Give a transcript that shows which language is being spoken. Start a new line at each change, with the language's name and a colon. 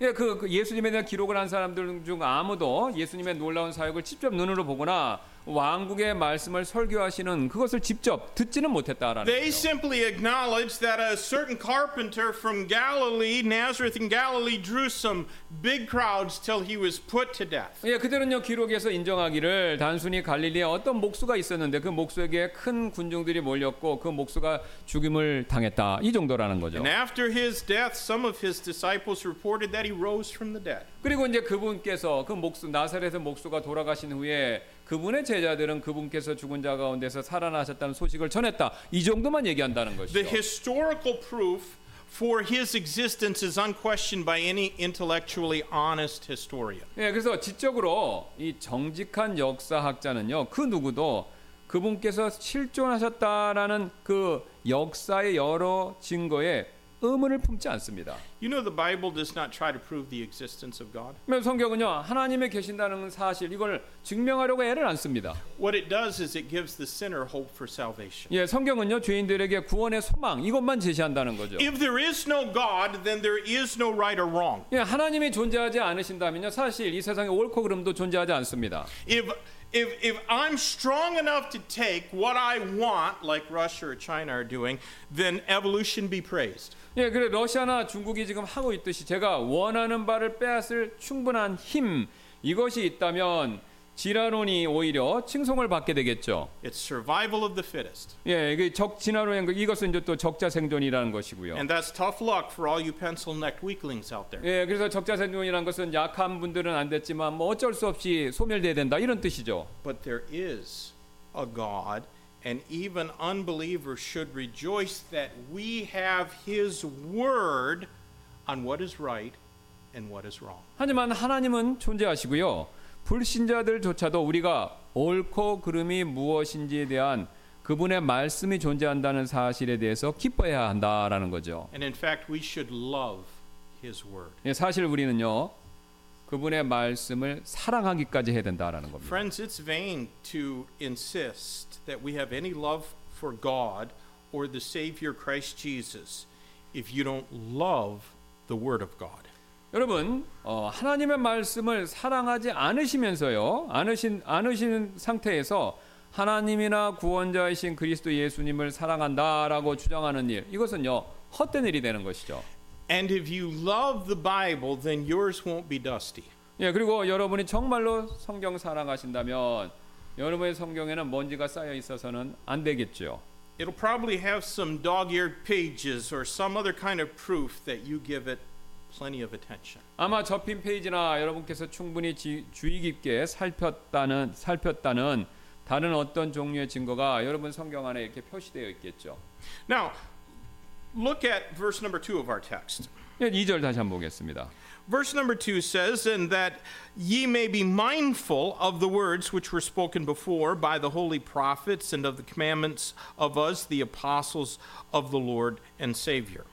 Korean: 예, 그 예수님에 대한 기록을 한 사람들 중 아무도 예수님의 놀라운 사역을 직접 눈으로 보거나 왕국의 말씀을 설교하시는 그것을 직접 듣지는 못했다라는 거죠.
English: They simply acknowledged that a certain carpenter from Galilee, Nazareth in Galilee, drew some big crowds till he was put to death.
Korean: 예, 그들은요 기록에서 인정하기를 단순히 갈릴리에 어떤 목수가 있었는데 그 목수에게 큰 군중들이 몰렸고 그 목수가 죽임을 당했다 이 정도라는 거죠.
English: And after his death, some of his disciples reported that he rose from the dead.
Korean: 그리고 이제 그분께서 그 목수 나사렛의 목수가 돌아가신 후에 그분의 제자들은 그분께서 죽은 자 가운데서 살아나셨다는 소식을 전했다. 이 정도만 얘기한다는 것이죠.
English: The historical proof for his existence is unquestioned by any intellectually honest historian.
Korean: 예, 그래서 지적으로 이 정직한 역사학자는요. 그 누구도 그분께서 실존하셨다라는 그 역사의 여러 증거에 의문을 품지 않습니다.
English: You know the Bible does not try to prove the existence of God.
Korean: 성경은요 하나님이 계신다는 사실 이걸 증명하려고 애를 안 씁니다.
English: What it does is it gives the sinner hope for salvation.
Korean: 예, 성경은요 죄인들에게 구원의 소망 이것만 제시한다는 거죠.
English: If there is no God, then there is no right or wrong.
Korean: 예, 하나님이 존재하지 않으신다면요 사실 이 세상에 옳고 그름도 존재하지 않습니다.
English: If I'm strong enough to take what I want, like Russia or China are doing, then evolution be praised.
Korean: 예, 그래 러시아나 중국이 지금 하고 있듯이 제가 원하는 바를 빼앗을 충분한 힘 이것이 있다면 진화론이 오히려 칭송을 받게 되겠죠.
English: It's survival of the fittest.
Korean: 예, 이게 적 진화론 이것은 이제 또 적자 생존이라는 것이고요.
English: And that's tough luck for all you pencil-necked weaklings out there.
Korean: 예, 그래서 적자 생존이라는 것은 약한 분들은 안 됐지만 뭐 어쩔 수 없이 소멸돼야 된다 이런 뜻이죠.
English: But there is a God. And even unbelievers should rejoice that we have His word on what is right and what is wrong.
Korean: 하지만 하나님은 존재하시고요. 불신자들조차도 우리가 옳고 그름이 무엇인지에 대한 그분의 말씀이 존재한다는 사실에 대해서 기뻐해야 한다라는 거죠.
English: And in fact, we should love His word.
Korean: 예, 사실 우리는요. 그분의 말씀을 사랑하기까지 해야 된다라는 겁니다.
English: Friends, it's vain to insist that we have any love for God or the Savior Christ Jesus if you don't love the Word of God.
Korean: 여러분, 하나님의 말씀을 사랑하지 않으시면서요, 안으신 상태에서 하나님이나 구원자이신 그리스도 예수님을 사랑한다라고 주장하는 일, 이것은요 헛된 일이 되는 것이죠.
English: And if you love the Bible, then yours won't be dusty.
Korean: 예, 그리고 여러분이 정말로 성경 사랑하신다면 여러분의 성경에는 먼지가 쌓여 있어서는 안 되겠죠.
English: It'll probably have some dog-eared pages or some other kind of proof that you give it plenty of attention.
Korean: 아마 접힌 페이지나 여러분께서 충분히 주의 깊게 살폈다는 다른 어떤 종류의 증거가 여러분 성경 안에 이렇게 표시되어 있겠죠.
English: Now, Look at verse number 2 of our text.
Korean: 2절 다시 한번 보겠습니다.
English: Verse number 2 says, and that ye may be mindful of the words which were spoken before by the holy prophets and of the commandments of us, the apostles of the Lord and Savior.